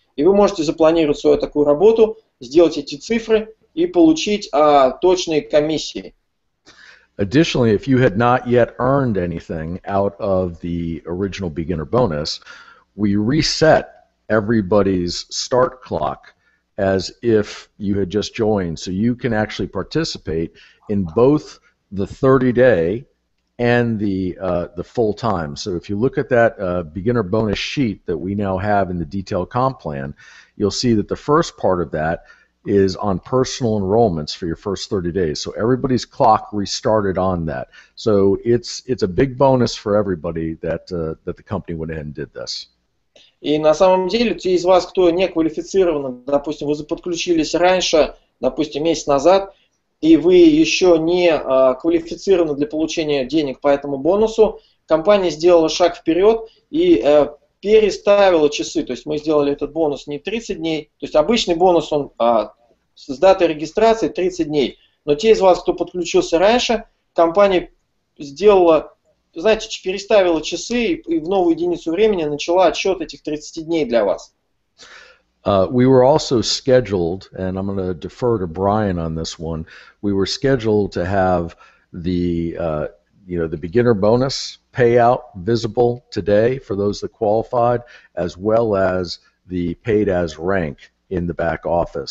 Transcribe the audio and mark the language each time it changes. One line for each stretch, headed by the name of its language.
Russian: И вы можете запланировать свою такую работу, сделать эти цифры и получить точные комиссии.
English: Additionally, if you had not yet earned anything out of the original beginner bonus, we reset everybody's start clock as if you had just joined, so you can actually participate in both the 30-day and the full time. So if you look at that beginner bonus sheet that we now have in the detailed comp plan, you'll see that the first part of that is on personal enrollments for your first 30 days. So everybody's clock restarted on that. So it's a big bonus for everybody that that the company went ahead and did this.
Russian: И на самом деле, те из вас, кто не квалифицирован, допустим, вы подключились раньше, допустим, месяц назад, и вы еще не квалифицированы для получения денег по этому бонусу, компания сделала шаг вперед и переставила часы. То есть мы сделали этот бонус не 30 дней, то есть обычный бонус он с датой регистрации 30 дней. Но те из вас, кто подключился раньше, компания сделала... Значит, переставила часы и в новую единицу времени начала отсчет этих 30 дней для вас.
English: We were also scheduled, and I'm going to defer to Brian on this one. We were scheduled to have the beginner bonus payout visible today for those that qualified, as well as the paid as rank in the back office.